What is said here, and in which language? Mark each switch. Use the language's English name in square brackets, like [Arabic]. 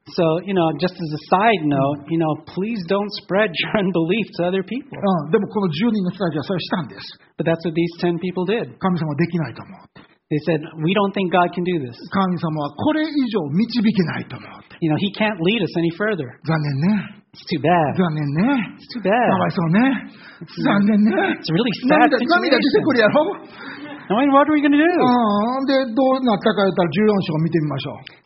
[English] So, you know, just as a side note, you know, please don't spread your unbelief to other people. [Japanese] でもこの10人の人たちはそれをしたんです。 [English] But that's what these 10 people did. [Japanese] 神様はできないと思う。 [English] They said, we don't think God can do this. [Japanese] 神様はこれ以上導けないと思う。 [English] You know, he can't lead us any further. [Japanese] 残念ね。 [English] It's too bad. [Japanese] 残念ね。 [English] It's too bad. [Japanese] かわいそうね。残念ね。 [English] It's a really sad situation. [Japanese] 涙出てくるやろ。 [English] I mean, what are we going to do? [Japanese] で、どうなったか言ったら14章を見てみましょう。